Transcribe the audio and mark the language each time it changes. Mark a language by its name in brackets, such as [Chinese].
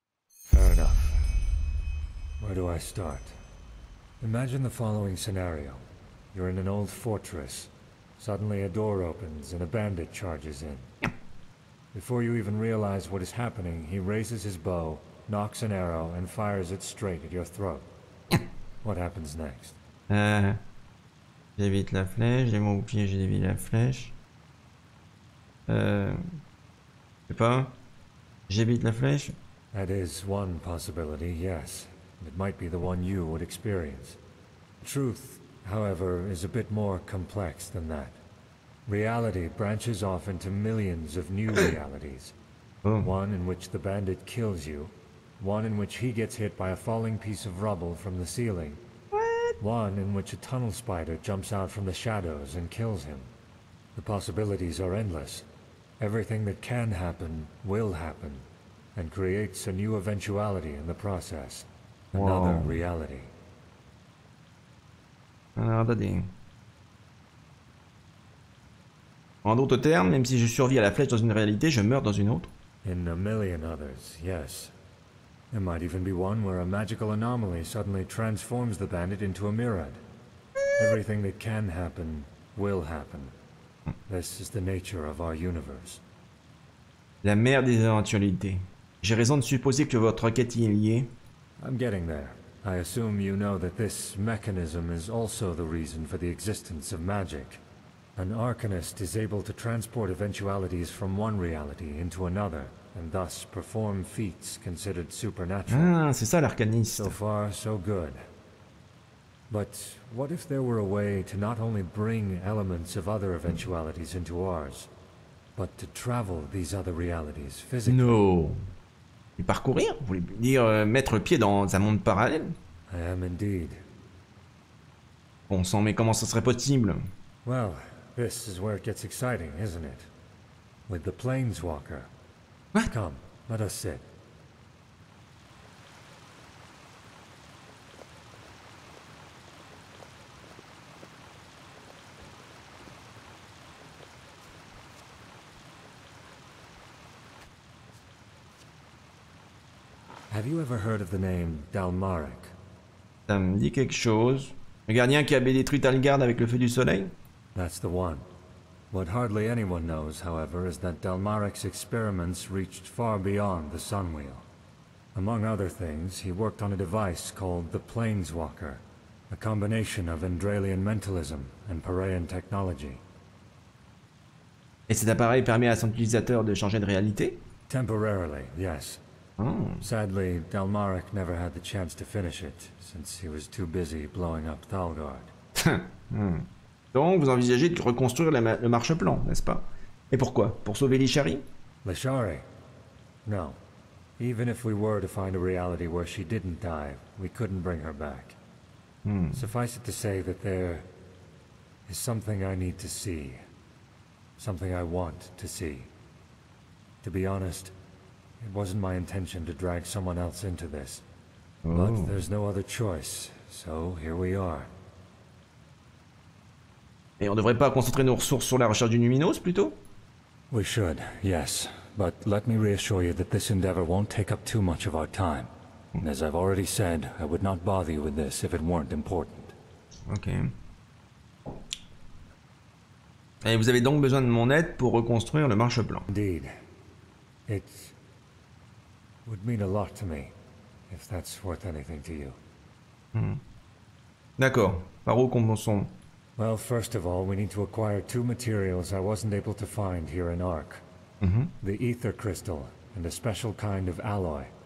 [English] Fair enough. Where do I start? Imagine the following scenario. You're in an old fortress. Suddenly a door opens and a bandit charges in. Before you even realize what is happening, he raises his bow, knocks an arrow, and fires it straight at your throat. What happens next? [French] J'évite la flèche, j'ai mon bouclier, j'évite la flèche. Je sais pas. J'évite la flèche. [English] That is one possibility, yes. It might be the one you would experience. Truth, however, is a bit more complex than that. Reality branches off into millions of new realities. One in which the bandit kills you. One in which he gets hit by a falling piece of rubble from the ceiling. What? One in which a tunnel spider jumps out from the shadows and kills him. The possibilities are endless. Everything that can happen will happen. And creates a new eventuality in the process. Another Whoa. Reality. Another thing. [French] En d'autres termes, même si je survis à la flèche dans une réalité, je meurs dans une autre. [English] In a million others, yes. There might even be one where a magical anomaly suddenly transforms the bandit into a mirad. Everything that can happen will happen. This is the nature of our universe. [French] La mère des éventualités. J'ai raison de supposer que votre quête y est liée. [English] I'm getting there. I assume you know that this mechanism is also the reason for the existence of magic. An arcanist is able to transport eventualities from one reality into another, and thus perform feats considered supernatural. [French] Ah, c'est ça l'arcaniste. [English] So far, so good. But what if there were a way to not only bring elements of other eventualities into ours, but to travel these other realities physically? No. [French] Et parcourir? Vous voulez dire mettre pied dans un monde parallèle? [English] I am indeed. [French] Bon sang, mais comment ça serait possible? [English] Well. This is where it gets exciting, isn't it? With the planeswalker. What? Come, let us sit. Have you ever heard of the name Dalmaric? [French] Ça me dit quelque chose. Le gardien qui avait détruit Talgard avec le feu du soleil? [English] That's the one. What hardly anyone knows, however, is that Dalmaric's experiments reached far beyond the Sun Wheel. Among other things, he worked on a device called the Planeswalker, A combination of Andralian mentalism and Paraean technology. [French] Et cet appareil permet à son utilisateur de changer de réalité? [English] Temporarily, yes. Oh. Sadly, Dalmarek never had the chance to finish it, since he was too busy blowing up Thalgard. [French] Donc, vous envisagez de reconstruire le marche-plan, n'est-ce pas? Et pourquoi? Pour sauver Lishari? [English] Lishari? No. Even if we were to find a reality where she didn't die, we couldn't bring her back. Suffice it to say that there is something I need to see. Something I want to see. To be honest, it wasn't my intention to drag someone else into this. Oh. But there's no other choice, so here we are. [French] Et on devrait pas concentrer nos ressources sur la recherche du Numinos, plutôt? [English] We should, yes. But let me reassure you that this endeavor won't take up too much of our time. And as I've already said, I would not bother you with this if it weren't important. Okay. [French] Et vous avez donc besoin de mon aide pour reconstruire le marche-plan. [English] Indeed. It would mean a lot to me, if that's worth anything to you. [French] D'accord. Par où commençons? [English] Well, first of all, we need to acquire two materials I wasn't able to find here in Ark. The ether crystal, and a special kind of alloy.